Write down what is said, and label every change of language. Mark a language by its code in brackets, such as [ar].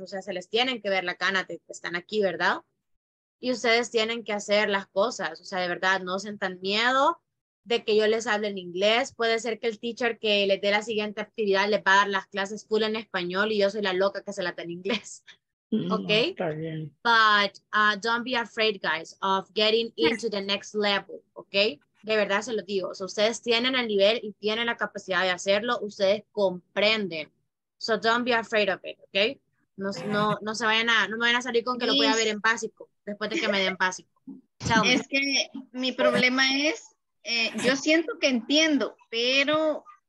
[es] O sea, se les tienen que ver la cana. Están aquí, ¿verdad? Y ustedes tienen que hacer las cosas. O sea, de verdad, no sientan miedo de que yo les hable en inglés. Puede ser que el teacher que les dé la siguiente actividad les va a dar las clases full en español y yo soy la loca que se la da en inglés. ¿Ok? No, está bien. [en] But don't be afraid, guys, of getting into the next level. [es] ¿Ok? De verdad, se lo digo. O sea, ustedes tienen el nivel y tienen la capacidad de hacerlo. Ustedes comprenden. [en] So don't be afraid of it. [es] ¿Ok? No se vayan a, no me vayan a salir con que lo voy a ver en básico. Después de que me den básico. Es que mi problema es, yo siento que entiendo, pero...